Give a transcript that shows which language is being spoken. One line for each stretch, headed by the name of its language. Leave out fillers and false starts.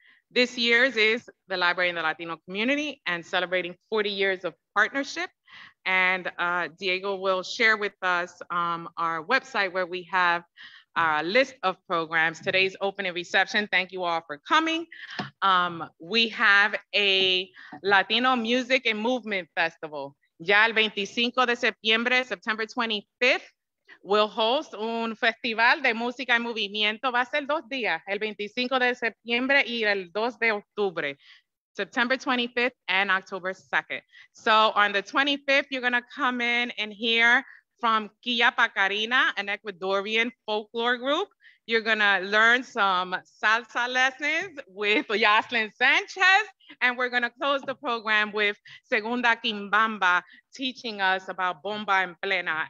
English: This year's is the Library in the Latino Community and celebrating 40 years of partnership. And Diego will share with us our website where we have our list of programs. Today's opening reception, thank you all for coming. We have a Latino Music and Movement Festival.
Spanish: Ya el 25 de septiembre,
English: September 25th, we'll host
Spanish: un festival de música y movimiento. Va a ser dos días, el 25 de septiembre y el 2 de octubre.
English: September 25th and October 2nd. So on the 25th, you're gonna come in and hear from Quilla Pacarina, an Ecuadorian folklore group. You're gonna learn some salsa lessons with Yaslin Sanchez. And we're gonna close the program with Segunda Quimbamba teaching us about bomba en plena.